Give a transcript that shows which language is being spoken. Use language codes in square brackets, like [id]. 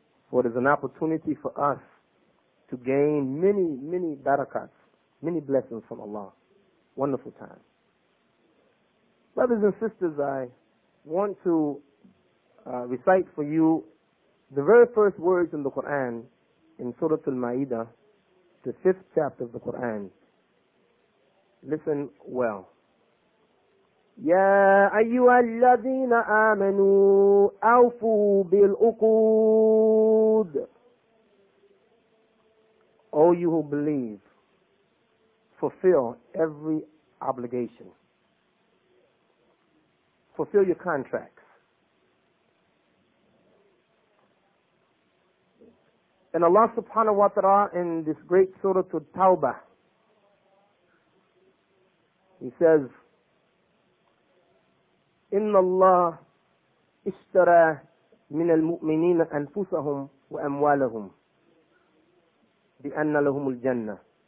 [en] For it is an opportunity for us to gain many, many barakats, many blessings from Allah. Wonderful time. Brothers and sisters, I want to recite for you the very first words in the Quran, in Surah Al-Ma'idah, the fifth chapter of the Quran. Listen well. [ar] يا أيها الذين آمنوا أوفوا بالعقود. [en] O you who believe, fulfill every obligation. Fulfill your contracts. And Allah subhanahu wa ta'ala in this great surah to Tawbah, He says, [ar] إن الله اشترى من المؤمنين أنفسهم وأموالهم بأن لهم الجنة.